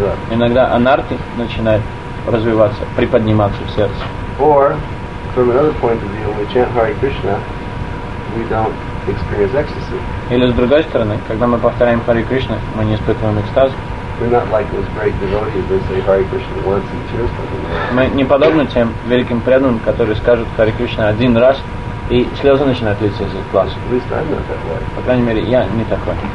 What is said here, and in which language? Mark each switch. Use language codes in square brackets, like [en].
[ru] Иногда анарти начинает развиваться, приподниматься в сердце. [en] Or, from another point of view, when we chant Hare Krishna, we don't experience ecstasy. [ru] Или с другой стороны, когда мы повторяем Hare Krishna, мы не испытываем экстаз. [en] We're not like those great devotees that say Hare Krishna once and cheers for them. [ru] Мы не подобны тем великим преданным, которые скажут Hare Krishna один раз. И слезы начинают литься из этих глаз. По крайней мере, я не такой.